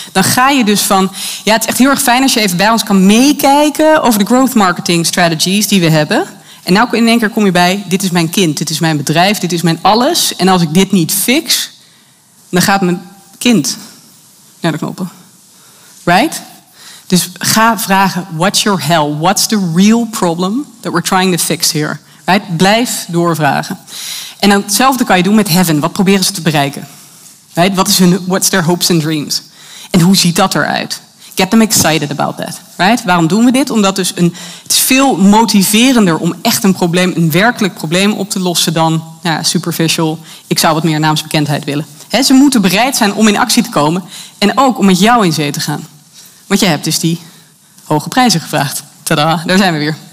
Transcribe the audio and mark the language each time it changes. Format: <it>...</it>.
<nl>Dan ga je dus van, ja, het is echt heel erg fijn als je even bij ons kan meekijken over de</nl> <en>growth marketing strategies</en> <nl>die we hebben. En nou in één keer kom je bij, dit is mijn kind, dit is mijn bedrijf, dit is mijn alles. En als ik dit niet fix, dan gaat mijn kind naar de knoppen.</nl> <en>Right?</en> <nl>Dus ga vragen,</nl> <en>what's your hell? What's the real problem that we're trying to fix here? Right?</en> <nl>Blijf doorvragen. En dan hetzelfde kan je doen met heaven. Wat proberen ze te bereiken?</nl> <en>Right? What's their hopes and dreams?</en> <nl>En hoe ziet dat eruit?</nl> <en>Get them excited about that. Right?</en> <nl>Waarom doen we dit? Omdat dus het is veel motiverender om echt een probleem, een werkelijk probleem op te lossen dan superficial, ik zou wat meer naamsbekendheid willen. He, ze moeten bereid zijn om in actie te komen en ook om met jou in zee te gaan. Want jij hebt dus die hoge prijzen gevraagd. Tada, daar zijn we weer.</nl>